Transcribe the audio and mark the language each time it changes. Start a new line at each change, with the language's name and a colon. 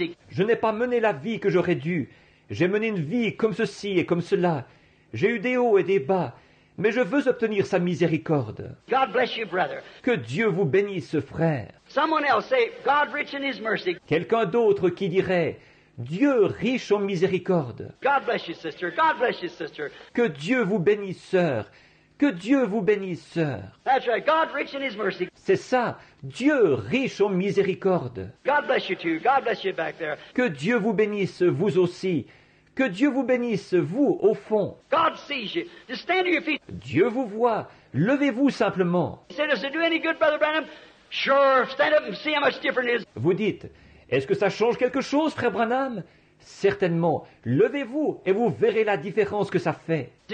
French: Je n'ai pas mené la vie que j'aurais dû. J'ai mené une vie comme ceci et comme cela. J'ai eu des hauts et des bas, mais je veux obtenir sa miséricorde.
English: God bless you, brother.
French: Que Dieu vous bénisse, frère.
English: Someone else say, God rich in His mercy.
French: Quelqu'un d'autre qui dirait, Dieu riche en miséricorde.
English: God bless you, sister. God bless you, sister.
French: Que Dieu vous bénisse, sœur. Que Dieu vous bénisse, sœur.
English: That's right. God rich in His mercy.
French: C'est ça, Dieu riche en miséricorde.
English: God bless you too. God bless you back there.
French: Que Dieu vous bénisse, vous aussi. Que Dieu vous bénisse, vous, au fond.
English: God sees you. Just stand to your feet.
French: Dieu vous voit. Levez-vous simplement.
English: He said, does it do any good, Brother Branham? Sure. Stand up and see how much different it is.
French: Vous dites, est-ce que ça change quelque chose, Frère Branham? Certainement. Levez-vous et vous verrez la différence que ça fait.